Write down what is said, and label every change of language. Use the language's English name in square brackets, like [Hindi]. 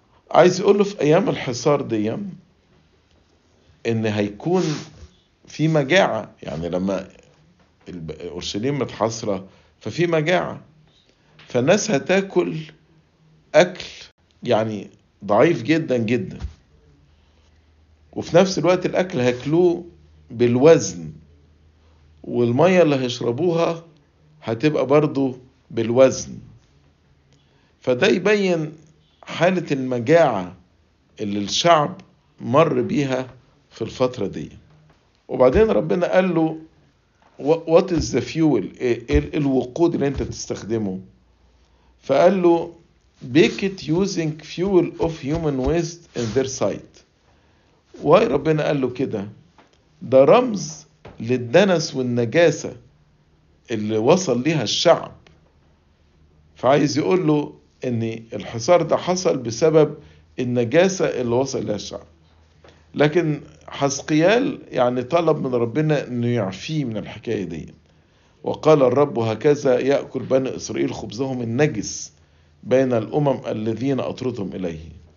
[Arabic] عايز يقوله في أيام الحصار دي إن هيكون في مجاعة، يعني لما أورشليم متحصرة ففي مجاعة، فالناس هتاكل أكل يعني ضعيف جدا جدا، وفي نفس الوقت الأكل هاكلوه بالوزن، والمية اللي هيشربوها هتبقى برضو بالوزن. فده يبين حالة المجاعة اللي الشعب مر بيها في الفترة دي. وبعدين ربنا قال له [English] What is the fuel؟ [Arabic] إيه الوقود اللي انت بتستخدمه؟ فقال له [English] Bake it using fuel of human waste in their sight. [Arabic] واي ربنا قال له كده؟ ده رمز للدنس والنجاسة اللي وصل لها الشعب. فعايز يقول له ان الحصار ده حصل بسبب النجاسة اللي وصل لها الشعب، لكن حزقيال يعني طلب من ربنا انه يعفيه من الحكاية دي، وقال الرب هكذا يأكل بني اسرائيل خبزهم النجس بين الامم الذين اطردهم اليه.